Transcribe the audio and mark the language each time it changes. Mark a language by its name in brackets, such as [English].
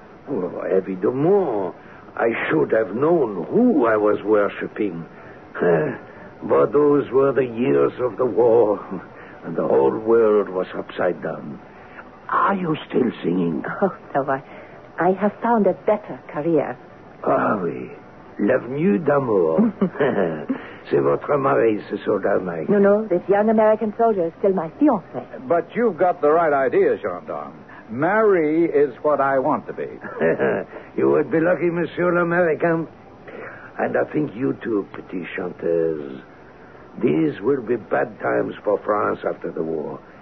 [English] Oh, évidemment, I should have known who I was worshipping. But those were the years of the war, and the whole world was upside down. Are you still singing? Oh, no, I have found a better career. [French] Ah, oui. L'avenue d'amour. C'est votre mari, ce soldat, Mike. [English] No, this young American soldier is still my fiancé. But you've got the right idea, gendarme. Marry is what I want to be. You would be lucky, [French] Monsieur l'American. [English] And I think you too, [French] petite chanteuse. [English] These will be bad times for France after the war.